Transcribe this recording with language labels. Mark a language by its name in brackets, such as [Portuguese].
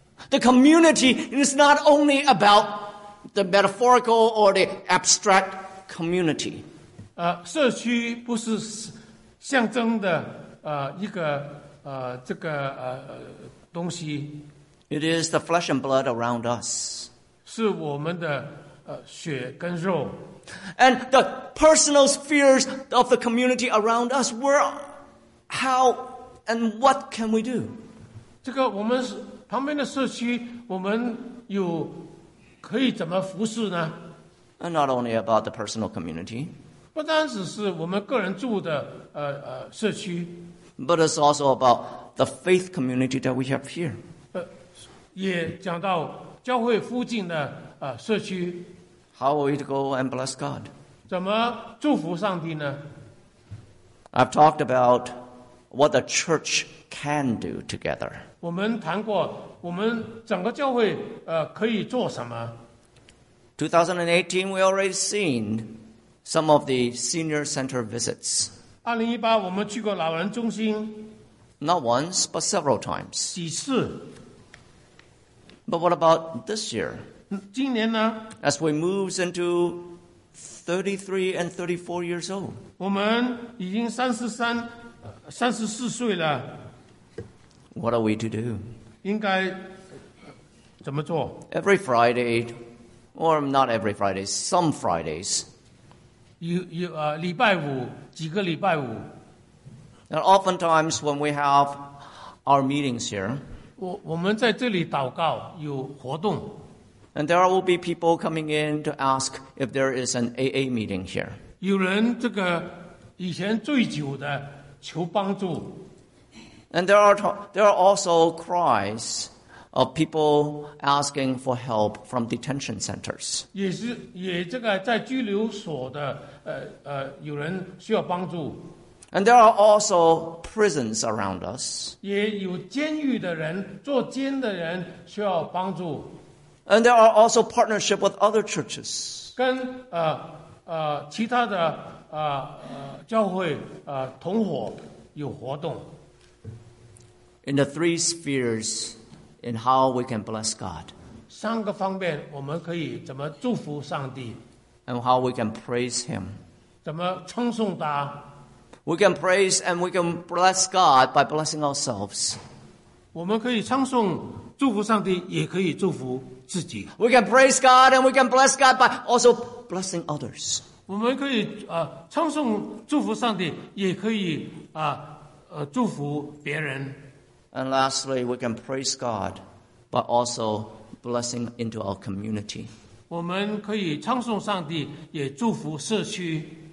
[English] The community is not only about the metaphorical or the abstract community. [Chinese] 社区不是象征的一个东西。 [English] It is the flesh and blood around us. [Chinese] 是我们的血跟肉。 [English] And the personal spheres of the community around us, how and what can we do? [Chinese] 这个我们旁边的社区, 我们有, 可以怎么服侍呢? [English] And not only about the personal community, [Chinese] 不单只是我们个人住的, 社区, [English] but it's also about the faith community that we have here. [Chinese] 也讲到教会附近的, 社区, [English] how are we to go and bless God? [Chinese] 怎么祝福上帝呢? [English] I've talked about what the church can do together. [Chinese] 我们谈过我们整个教会, 可以做什么? [English] 2018, we already seen some of the senior center visits. [Chinese] 2018, 我们去过老人中心, [English] not once, but several times. [Chinese] 几次? [English] But what about this year? [Chinese] 今年呢? [English] As we move into 33 and 34 years old. [Chinese] 我们已经33, 34岁了, [English] what are we to do? [Chinese] 应该,怎么做? [English] Every Friday, or not every Friday, some Fridays. [Chinese] 礼拜五,几个礼拜五。 [English] And oftentimes when we have our meetings here, [Chinese] 我们在这里祷告,有活动。 [English] And there will be people coming in to ask if there is an AA meeting here. [Chinese] 有人这个以前醉酒的求帮助。 [English] And there are also cries of people asking for help from detention centers. [Chinese] 也这个在拘留所的有人需要帮助。 [English] And there are also prisons around us. [Chinese] 也有监狱的人坐监的人需要帮助。 [English] And there are also partnership with other churches. [Chinese] 跟其他的教会同伙有活动。 [English] In the three spheres in how we can bless God. [Chinese] 三个方面我们可以怎么祝福上帝。 [English] And how we can praise Him. [Chinese] 怎么称颂他。 [English] We can praise and we can bless God by blessing ourselves. [Chinese] 我们可以称颂祝福上帝也可以祝福自己。 [English] We can praise God and we can bless God by also blessing others. [Chinese] 我们可以称颂祝福上帝也可以祝福别人。 [English] And lastly, we can praise God, but also blessing into our community. [Chinese] 我们可以称颂上帝，也祝福社区。